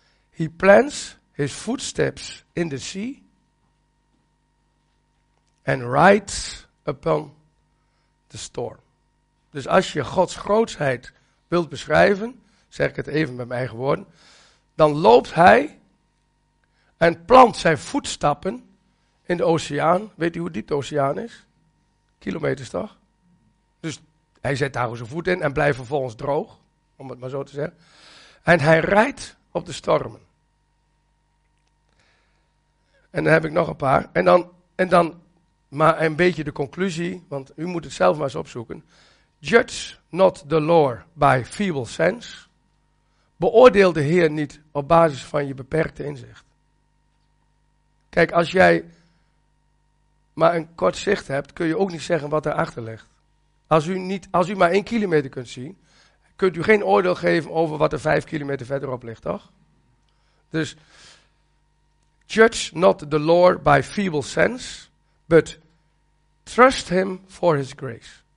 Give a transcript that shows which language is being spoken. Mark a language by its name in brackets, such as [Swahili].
[English] He plants his footsteps in the sea and rides upon the storm. [Dutch] Dus als je Gods grootsheid wilt beschrijven, zeg ik het even met mijn eigen woorden, dan loopt hij en plant zijn voetstappen in de oceaan. Weet u hoe diep de oceaan is? Kilometers toch? Dus hij zet daar zijn voet in en blijft vervolgens droog, om het maar zo te zeggen. En hij rijdt op de stormen. En dan heb ik nog een paar. En dan maar een beetje de conclusie, want u moet het zelf maar eens opzoeken. [English] Judge not the Lord by feeble sense. [Dutch] Beoordeel de Heer niet op basis van je beperkte inzicht. Kijk, als jij maar een kort zicht hebt, kun je ook niet zeggen wat erachter ligt. Als u maar 1 kilometer kunt zien, kunt u geen oordeel geven over wat er 5 kilometer verderop ligt, toch? [English] Dus, judge not the Lord by feeble sense, but trust him for his grace.